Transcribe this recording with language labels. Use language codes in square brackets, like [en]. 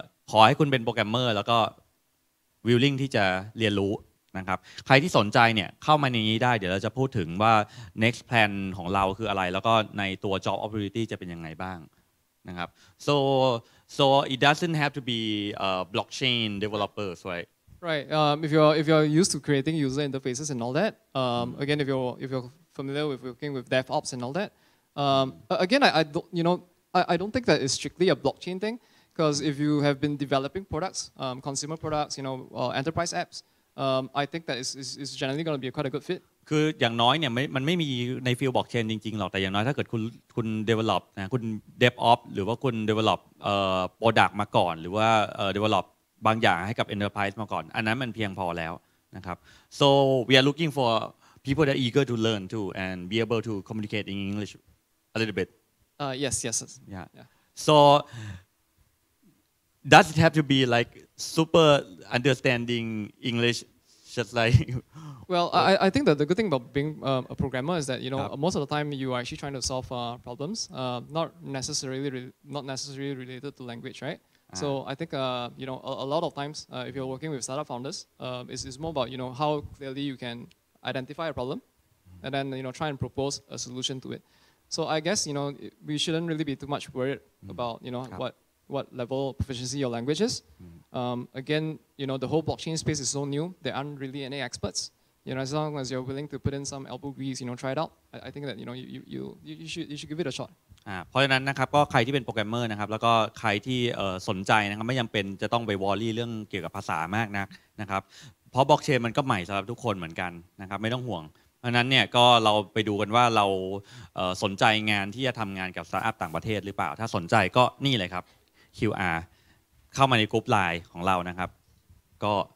[th] ขอให้คุณเป็นโปรแกรมเมอร์แล้วก็ willing ที่จะเรียนรู้นะครับใครที่สนใจเนี่ยเข้ามาในนี้ได้เดี๋ยวเราจะพูดถึงว่า next plan ของเราคืออะไรแล้วก็ในตัว job opportunity จะเป็นยังไงบ้างนะครับ [en] so it doesn't have to be blockchain developers right Right. If you're used to creating user interfaces and all that, again, if you're familiar with working with DevOps and all that, again, I don't think that is strictly a blockchain thing, because if you have been developing products, consumer products, you know, enterprise apps, I think that is generally going to be quite a good fit. [th] คืออย่างน้อยเนี่ยมันไม่มีในฟิลบล็อกเชนจริงๆหรอกแต่อย่างน้อยถ้าเกิดคุณ develop นะคุณ DevOps หรือว่าคุณ develop product มาก่อนหรือว่า developบางอย่างให้กับ enterprise มาก่อนอันนั้นมันเพียงพอแล้วนะครับ [en] so we are looking for people that are eager to learn too and be able to communicate in English a little bit yes so does it have to be like super understanding English just like well I think that the good thing about being a programmer is that you know most of the time you are actually trying to solve problems not necessarily related to language rightSo I think you know a lot of times if you're working with startup founders it's more about you know how clearly you can identify a problem and then you know try and propose a solution to it. So I guess you know we shouldn't really be too much worried about you know what level of proficiency your language is. Again, you know the whole blockchain space is so new. There aren't really any experts. You know as long as you're willing to put in some elbow grease, you know try it out. I think that you know you should give it a shot. [th] เพราะฉะนั้นนะครับก็ใครที่เป็นโปรแกรมเมอร์นะครับแล้วก็ใครที่สนใจนะครับไม่ยังเป็นจะต้องไปวอรี่เรื่องเกี่ยวกับภาษามากนักนะครับเพราะบล็อกเชนมันก็ใหม่สำหรับทุกคนเหมือนกันนะครับไม่ต้องห่วงเพราะนั้นเนี่ยก็เราไปดูกันว่าเราสนใจงานที่จะทำงานกับสตาร์ทอัพต่างประเทศหรือเปล่าถ้าสนใจก็นี่เลยครับ QR เข้ามาในกลุ่ม LINE ของเรานะครับก็